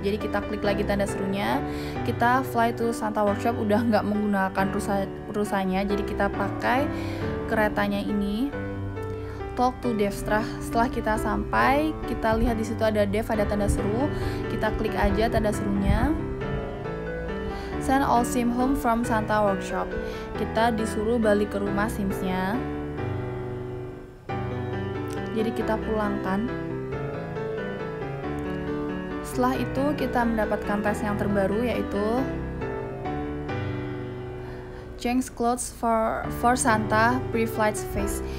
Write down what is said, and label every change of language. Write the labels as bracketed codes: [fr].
[id] Jadi kita klik lagi tanda serunya, kita [en] fly to Santa workshop, [id] udah nggak menggunakan rusanya. Jadi kita pakai keretanya ini, [en] talk to Dev. [id] Setelah kita sampai, kita lihat di situ ada Dev, ada tanda seru, kita klik aja tanda serunya. [en] Send all sim home from Santa workshop. [id] Kita disuruh balik ke rumah sims-nya. Jadi kita pulangkan. Setelah itu kita mendapatkan tes yang terbaru, yaitu [en] change clothes for Santa pre-flight phase.